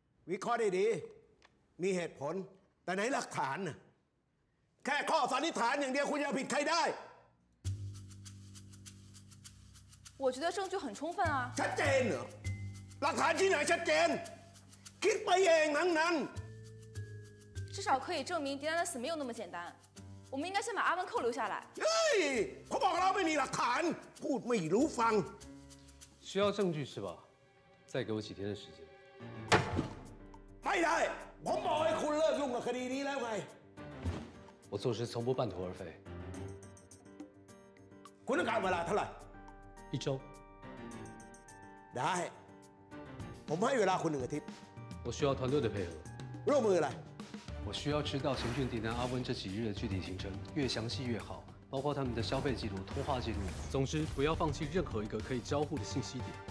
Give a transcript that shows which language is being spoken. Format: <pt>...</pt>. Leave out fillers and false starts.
<th>วิเคราะห์ดีๆมีเหตุผลแต่ไหนหลักฐานน่ะแค่ข้อสันนิษฐานอย่างเดียวคุณจะผิดใครได้</th> <zh>我觉得证据很充分啊</zh> <th>ชัดเจนเหรอหลักฐานที่ไหนชัดเจนคิดไปเองนั้น</th> <zh>至少可以证明迪娜的死没有那么简单我们应该先把阿文扣留下来</zh> <th>เฮ้ยเขาบอกเราไม่มีหลักฐานพูดไม่รู้ฟัง</th> <zh>需要证据是吧再给我几天的时间</zh> <th>ไม่ได้ผมบอกให้คุณเลิกยุ่งกับคดีนี้แล้วไง</th> <zh>我做事从不半途而废</zh> <th>คุณต้องการเวลาเท่าไหร่</th> <zh>一周</zh> <th>ได้ผมให้เวลาคุณหนึ่งอาทิตย์</th> <zh>我需要团队的配合</zh> <th>ร่วมมืออะไร</th> <zh>我需要知道秦俊、迪南、阿温这几日的具体行程越详细越好包括他们的消费记录通话记录总之不要放弃任何一个可以交互的信息点</zh>